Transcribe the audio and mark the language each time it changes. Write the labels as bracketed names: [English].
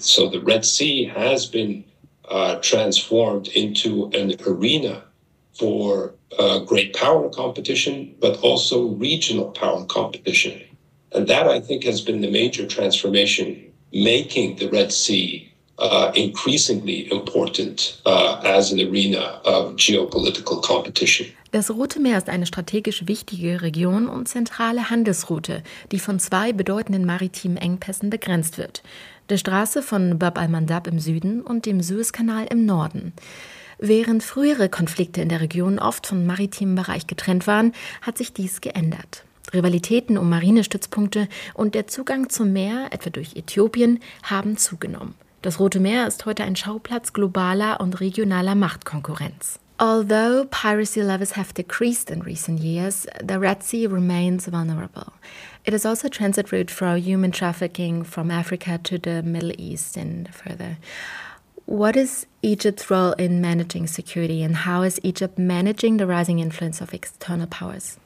[English] So the Red Sea has been transformed into an arena for great power competition, but also regional power competition. And that, I think, has been the major transformation, making the Red Sea increasingly important as an arena of geopolitical competition. [German] Das Rote Meer ist eine strategisch wichtige Region und zentrale Handelsroute, die von zwei bedeutenden maritimen Engpässen begrenzt wird. Der Straße von Bab el-Mandab im Süden und dem Suezkanal im Norden. Während frühere Konflikte in der Region oft vom maritimen Bereich getrennt waren, hat sich dies geändert. Rivalitäten um Marinestützpunkte und der Zugang zum Meer, etwa durch Äthiopien, haben zugenommen. Das Rote Meer ist heute ein Schauplatz globaler und regionaler Machtkonkurrenz. [English] Although piracy levels have decreased in recent years, the Red Sea remains vulnerable. It is also a transit route for human trafficking from Africa to the Middle East and further. What is Egypt's role in managing security, and how is Egypt managing the rising influence of external powers?